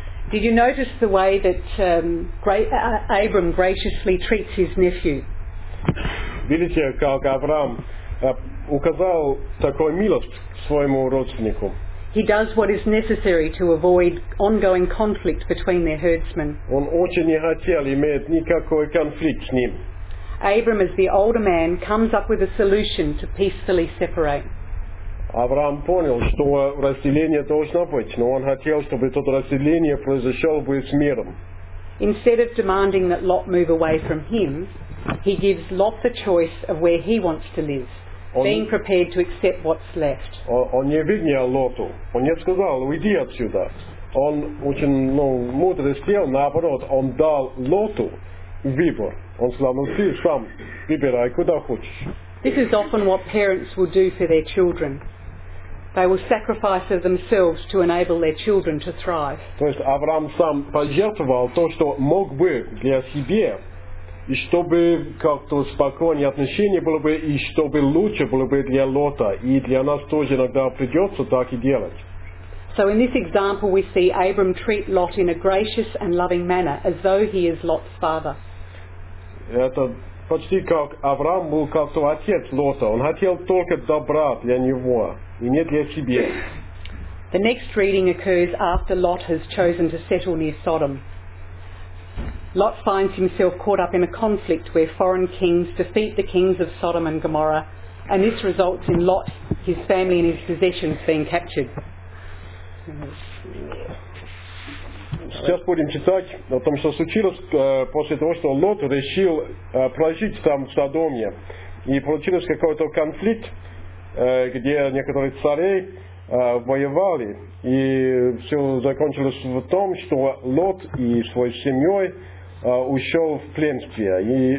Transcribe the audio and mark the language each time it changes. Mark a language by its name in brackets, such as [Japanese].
[English] Did you notice the way that Abram graciously treats his nephew? [Russian] Видите, как Авраам указал такую милость своему родственнику? [English] He does what is necessary to avoid ongoing conflict between their herdsmen. [Russian] Он очень не хотел иметь никакой конфликт с ним. [English] Abram, as the older man, comes up with a solution to peacefully separate. [Russian] Авраам понял, что разделение должно быть, но он хотел, чтобы это разделение произошло бы с миром. [English] Instead of demanding that Lot move away from him, he gives Lot the choice of where he wants to live, being prepared to accept what's left. [Russian] Он не обвинял Лоту, он не сказал, уйди отсюда. Он очень мудро сделал, наоборот, он дал Лоту выбор. Он сказал, ну ты сам выбирай, куда хочешь. [English] This is often what parents will do for their children. They will sacrifice of themselves to enable their children to thrive. [Russian] То есть Авраам сам пожертвовал то, что мог бы для себя, и чтобы как-то спокойнее отношения было бы, и чтобы лучше было бы для Лота, и для нас тоже иногда придется так и делать. [English] So in this example we see Abram treat Lot in a gracious and loving manner, as though he is Lot's father. [Russian] Это почти как Авраам был как-то отец Лота. Он хотел только добра для него, и не для себя. [English] The next reading occurs after Lot has chosen to settle near Sodom. Lot finds himself caught up in a conflict where foreign kings defeat the kings of Sodom and Gomorrah, and this results in Lot, his family and his possessions being captured. [Russian] Сейчас будем читать о том, что случилось после того, что Лот решил прожить там в Содоме. И получился какой-то конфликт, где некоторые цари воевали. И все закончилось в том, что Лот и своей семьей ушел в пленствие.